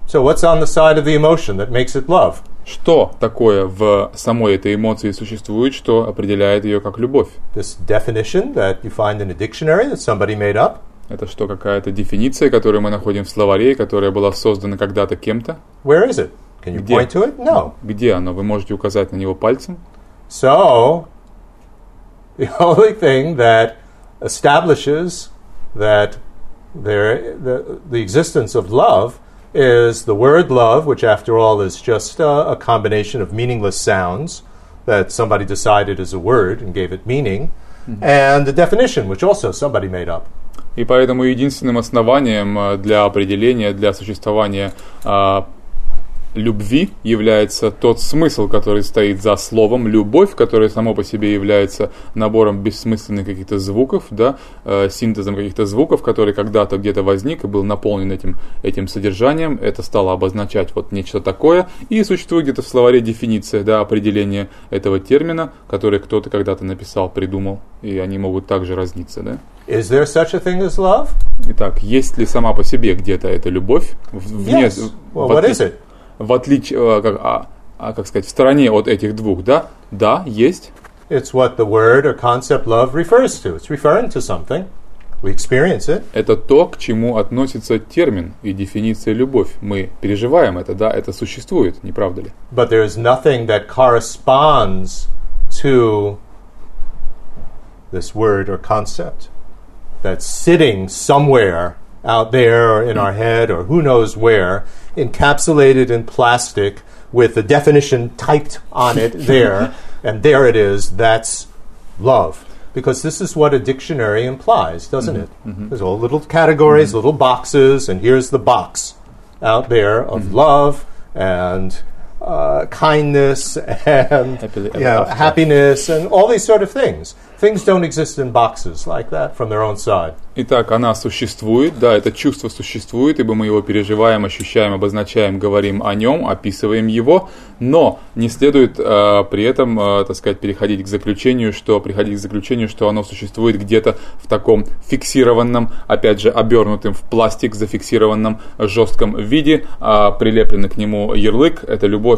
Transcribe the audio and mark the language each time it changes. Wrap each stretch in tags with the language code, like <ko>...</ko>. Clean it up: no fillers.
<en>So what's on the side of the emotion that makes it love?</en> <ru>Что такое в самой этой эмоции существует, что определяет ее как любовь?</ru> <en>This definition that you find in a dictionary that somebody made up?</en> <ru>Это что, какая-то дефиниция, которую мы находим в словаре, которая была создана когда-то кем-то?</ru> <en>Where is it? Can you point to it? No.</en> <ru>Где оно? Вы можете указать на него пальцем?</ru> <en>So, the only thing that establishes that there the existence of love is the word love, which after all is just a combination of meaningless sounds that somebody decided is a word and gave it meaning, and the definition, which also somebody made up.</en> <ru>И поэтому единственным основанием для определения, для существования любви является тот смысл, который стоит за словом «любовь», которое само по себе является набором бессмысленных каких-то звуков, да, синтезом каких-то звуков, который когда-то где-то возник и был наполнен этим содержанием. Это стало обозначать вот нечто такое. И существует где-то в словаре дефиниция, да, определение этого термина, который кто-то когда-то написал, придумал, и они могут также разниться, да.</ru> <en>Is there such a thing as love?</en> <ru>Итак, есть ли сама по себе где-то эта любовь?</ru> <en>Yes. Well, what is it?</en> <ru>В отличие, как сказать, в стороне от этих двух, да? Да, есть.</ru> <en>It's what the word or concept love refers to. It's referring to something. We experience it.</en> <ru>Это то, к чему относится термин и дефиниция «любовь». Мы переживаем это, да? Это существует, не правда ли?</ru> <en>But there is nothing that corresponds to this word or concept that's sitting somewhere out there or in our head or who knows where, encapsulated in plastic with a definition typed on it there, and there it is, that's love. Because this is what a dictionary implies, doesn't it? There's all little categories, little boxes, and here's the box out there of love and kindness and happiness and all these sort of things. Things don't exist in boxes like that from their own side.</en> <ru>Итак, она существует, да, это чувство существует, ибо мы его переживаем, ощущаем, обозначаем, говорим о нем, описываем его, но не следует при этом, так сказать, приходить к заключению, что оно существует где-то в таком фиксированном, опять же, обернутым в пластик, зафиксированном жестком виде, прилеплен к нему ярлык, это любовь.</ru>